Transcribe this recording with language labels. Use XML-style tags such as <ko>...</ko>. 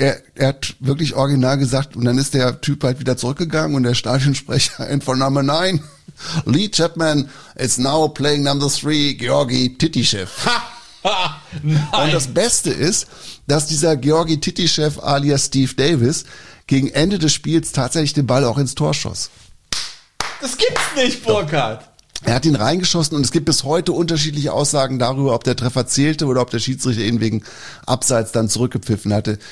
<de>Er hat wirklich original gesagt, und dann ist der Typ halt wieder zurückgegangen und der Stadionsprecher in von Nummer 9.</de> <en>Lee Chapman is now playing number 3, Georgi Titichev.</en> <de>Und das Beste ist, dass dieser Georgi Titichev alias Steve Davis gegen Ende des Spiels tatsächlich den Ball auch ins Tor schoss. Das gibt's nicht, Burkhard. Er hat ihn reingeschossen, und es gibt bis heute unterschiedliche Aussagen darüber, ob der Treffer zählte oder ob der Schiedsrichter ihn wegen Abseits dann zurückgepfiffen hatte.</de>